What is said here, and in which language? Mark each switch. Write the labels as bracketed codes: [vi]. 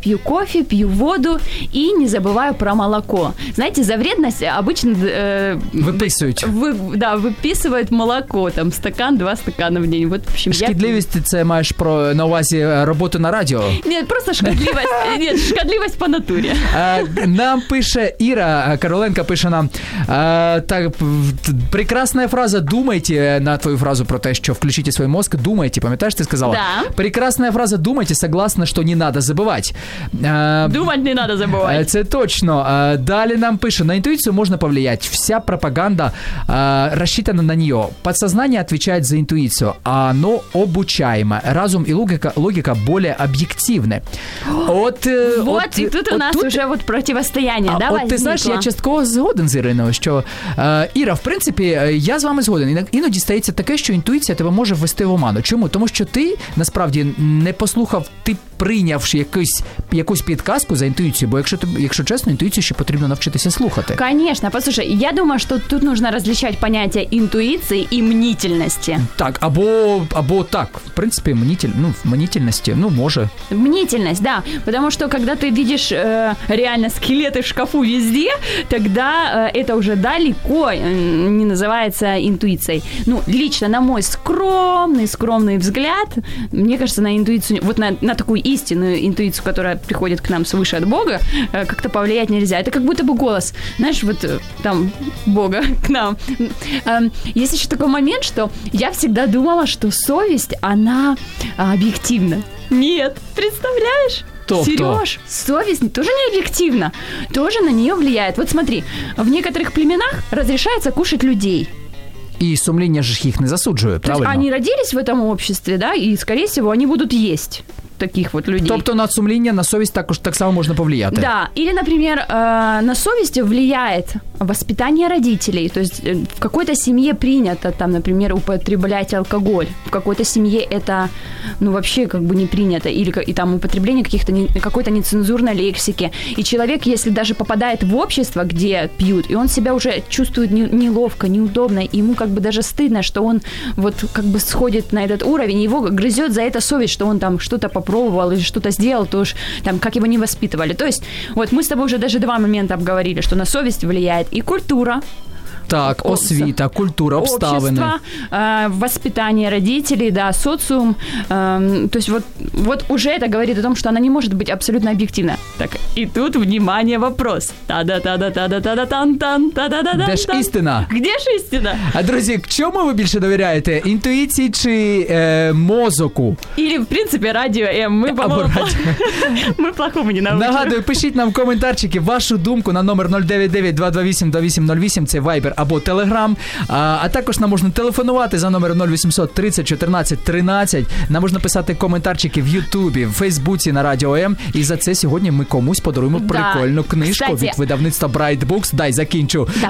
[ru] Пью кофе, пью воду и не забываю про молоко. Знаете, за вредность обычно... Выписывают. Да, выписывают молоко. Там стакан, два стакана в день. Вот, в общем, [uk] шкідливость ты маешь про, на увазе работу на радио? [ru] Нет, просто шкодливость. Нет, шкодливость по натуре. [uk] Нам пише Іра Короленко, пише нам так, [ru] прекрасная фраза, думайте, [uk] на твою фразу про те, що включите свой мозг, думайте, пам'ятаєш, ти сказала? [ru] Да. Прекрасная фраза, думайте, согласна, що не надо забывать. Думать не надо забывать. [uk] Це точно. Далі нам пише: на інтуицію можна повлиять, [ru] вся пропаганда рассчитана на неё. Подсознание отвечает за интуицию, а оно обучаемо. Разум и логика более объективны. [uk] От, і тут у нас вже от протистояння, да, от ти знаєш, я частково згоден з Іриною, що Іра, в принципі, я з вами згоден. Іноді стається таке, що інтуїція тебе може ввести в оману. Чому? Тому що ти насправді не послухав, ти прийнявши якусь підказку за інтуїцію, бо якщо чесно, інтуїцію ще потрібно навчитися слухати. Звісно, послухай, я думаю, що тут потрібно розлічати поняття інтуїції і мнітельності. Так, або так, в принципі, мнітельності, ну, може. [ru] Мнительность, да. Потому что когда ты видишь реально скелеты в шкафу везде, тогда это уже далеко не называется интуицией. Ну, лично на мой скромный взгляд, мне кажется, на интуицию, вот на такую истинную интуицию, которая приходит к нам свыше от Бога, как-то повлиять нельзя. Это как будто бы голос, знаешь, вот там Бога к нам. Есть еще такой момент, что я всегда думала, что совесть, она объективна. Нет, представляешь? Топ-топ. Серёж, совесть тоже не объективна, тоже на неё влияет. Вот смотри, в некоторых племенах разрешается кушать людей. [uk] И сумление же их не засуджує, правильно? [ru] То есть они родились в этом обществе, да, и, скорее всего, они будут есть таких вот людей. [uk] Тобто на сумління, на совість також так само можна повлияти. [ru] Да. Или, например, [uk] на совість впливає [ru] воспитання родителей. То есть в какой-то семье принято там, например, употреблять алкоголь. В какой-то семье это, ну, вообще как бы не принято. Или и там употребление каких-то, какой-то нецензурной лексики. И человек, если даже попадает в общество, где пьют, и он себя уже чувствует неловко, неудобно, ему как бы даже стыдно, что он вот как бы сходит на этот уровень, его грызет за это совесть, что он там что-то попробовал или что-то сделал, то уж там, как его не воспитывали. То есть, вот мы с тобой уже даже два момента обговорили, что на совесть влияет и культура, [uk] Так, освіта, культура, обставини. [ru] Общество, воспитание родителей, да, социум. То есть вот уже это говорит о том, что она не может быть абсолютно объективна. Так, и тут, внимание, вопрос. Та-да-та-да-та-да-та-да-та-да-та-да-та-да-та-да-та. Где ж истина? Где ж истина? [uk] А, друзі, к чому ви більше довіряєте? Інтуїції чи мозоку? Или, в принципі, радіо М. Ми, по-моєму, плохому не научили. Нагадую, пишіть нам в коментарчики вашу думку на номер 099-228-2808. Це Viber або Telegram. А також нам можна телефонувати за номером 0800 30 14 13. Нам можна писати коментарчики в Ютубі, в Фейсбуці на Радіо М. І за це сьогодні ми комусь подаруємо прикольну книжку від видавництва Bright Books. Дай, закінчу.